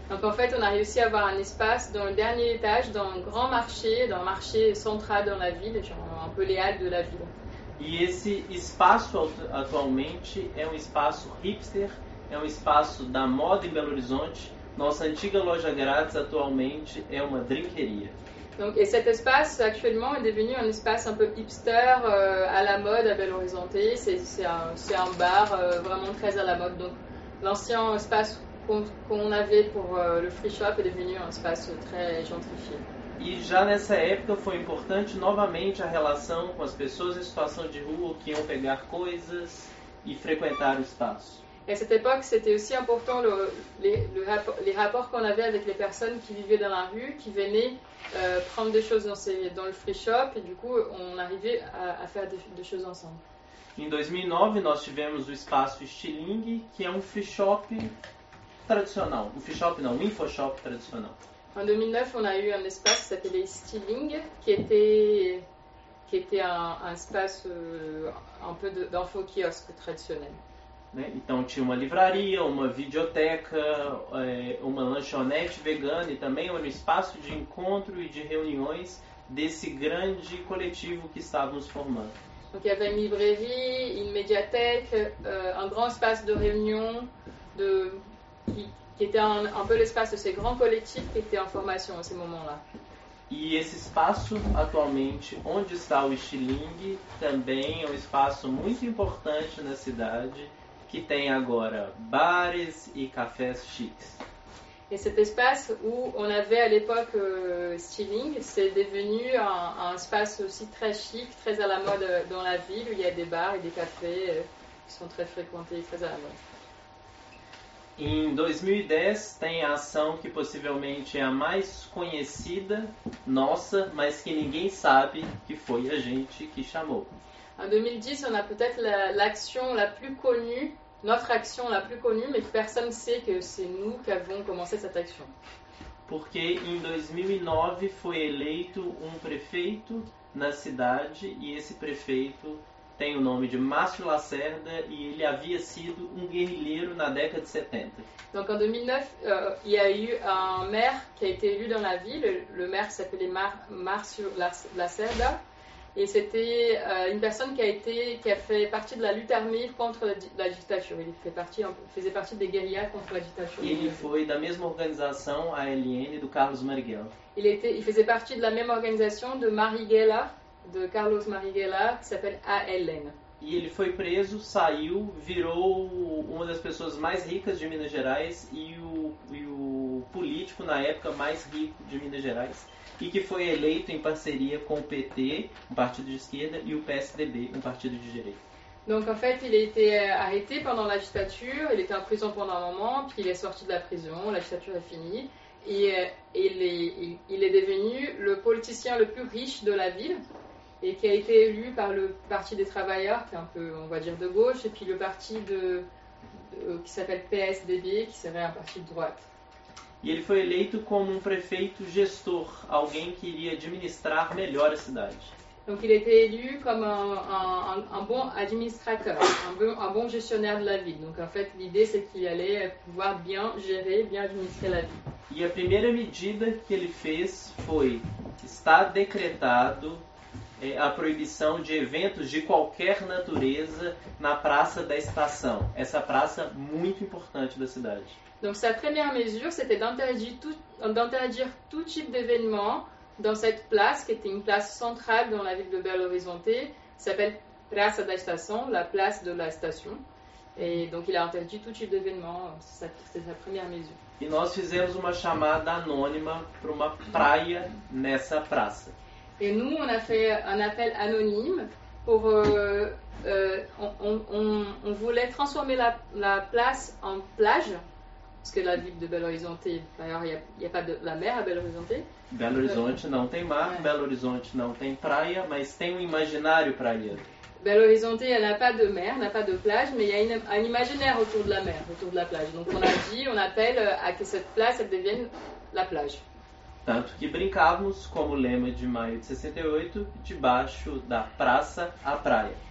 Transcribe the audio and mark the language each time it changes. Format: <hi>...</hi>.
<fr>Donc en fait, on a réussi à avoir un espace dans le dernier étage, dans un grand marché, dans un marché central dans la ville, genre un peu les halles de la ville.</fr> <pt>Et esse espaço atualmente é espaço hipster, é espaço da moda em Belo Horizonte. Nossa antiga loja grátis atualmente é uma drinkeria.</pt> <fr>Donc et cet espace actuellement est devenu un espace un peu hipster à la mode à Belo Horizonte. C'est un bar vraiment très à la mode. Donc l'ancien espace qu'on avait pour le free shop est devenu un espace très gentrifié.</fr> <pt>E já nessa época foi importante novamente a relação com as pessoas em situação de rua que iam pegar coisas e frequentar o espaço.</pt> <fr>Et à cette époque, c'était aussi important les rapports qu'on avait avec les personnes qui vivaient dans la rue, qui venaient prendre des choses dans le free shop et du coup, on arrivait à faire des choses ensemble.</fr> <pt>Em 2009, nós tivemos o espaço Stilling, que é free shop tradicional, free shop não, info shop tradicional.</pt> <fr>En 2009, on a eu un espace qui s'appelait Stilling, qui était un espace un peu d'info kiosque traditionnel.</fr> <pt>Né? Então tinha uma livraria, uma videoteca, uma lanchonete vegana e também um espaço de encontro e de reuniões desse grande coletivo que estávamos formando.</pt> <fr>Donc il y avait une librairie, une médiathèque, un grand espace de réunion de qui était un peu l'espace de ces grands collectifs qui étaient en formation à ce moment-là.</fr> <pt>E esse espaço atualmente onde está o Stilling também é espaço muito importante na cidade que tem agora bares e cafés chiques.</pt> <fr>Et cet espace où on avait à l'époque Stilling, c'est devenu un espace aussi très chic, très à la mode dans la ville, où il y a des bars et des cafés qui sont très fréquentés et très à la mode.</fr> <pt>Em 2010, tem a ação que possivelmente é a mais conhecida nossa, mas que ninguém sabe que foi a gente que chamou. Em 2010,</pt> <fr>on a peut-être l'action la plus connue, notre action la plus connue, mais personne sait que c'est nous qui avons commencé cette action.</fr> <pt>Porque em 2009 foi eleito prefeito na cidade e esse prefeito tem o nome de Márcio Lacerda e ele havia sido guerrilheiro na década de 70.</pt> <fr>Donc en 2009, il y a eu un maire qui a été élu dans la ville, le maire s'appelait Márcio Lacerda et c'était une personne qui a fait partie de la lutte armée contre la dictature. Il faisait partie des guérillas contre la dictature.</fr> <pt>Et il foi da mesma organização ALN do Carlos Marighella.</pt> <fr>Il faisait partie de la même organisation de Marighella. De Carlos Marighella, qui s'appelle ALN.</fr> <pt>E ele foi preso, saiu, virou uma das pessoas mais ricas de Minas Gerais e o político na época mais rico de Minas Gerais e que foi eleito em parceria com o PT, um partido de esquerda, e o PSDB, um partido de direita.</pt> <fr>Donc en fait, il a été arrêté pendant la dictature, il était en prison pendant un moment, puis il est sorti de la prison, la dictature est finie. Il est devenu le politicien le plus riche de la ville et qui a été élu par le Parti des Travailleurs, qui est un peu, on va dire, de gauche, et puis le parti qui s'appelle PSDB, qui serait un parti de droite.</fr> <pt>E ele foi eleito como prefeito gestor, alguém que iria administrar melhor a cidade.</pt> <fr>Donc il était élu comme un bon administrateur, un bon gestionnaire de la ville. Donc en fait, l'idée c'est qu'il allait pouvoir bien gérer, bien administrer la ville.</fr> <pt>E a primeira medida que ele fez foi: está decretado a proibição de eventos de qualquer natureza na Praça da Estação, essa praça muito importante da cidade.</pt> <fr>Donc sa première mesure c'était d'interdire tout type d'événement dans cette place qui était une place centrale dans la ville de Belo Horizonte, s'appelle Praça da Estação, la place de la station. Et donc il a interdit tout type d'événement, c'est sa première mesure.</fr> <pt>E nós fizemos uma chamada anônima para uma praia nessa praça.</pt> <fr>Et nous on a fait un appel anonyme pour on voulait transformer la place en plage. Parce que la ville de Belo Horizonte, d'ailleurs, il n'y a pas de la mer à Belo Horizonte.</fr> <pt>Belo Horizonte não tem mar, ouais. Belo Horizonte não tem praia, mas tem um imaginário praieiro.</pt> <fr>Belo Horizonte, elle n'a pas de mer, n'a pas de plage, mais il y a un imaginaire autour de la mer, autour de la plage. Donc on a dit, on appelle à que cette place elle devienne la plage.</fr> <pt>Tanto que brincávamos, como lema de maio de 68, debaixo da praça à praia.</pt>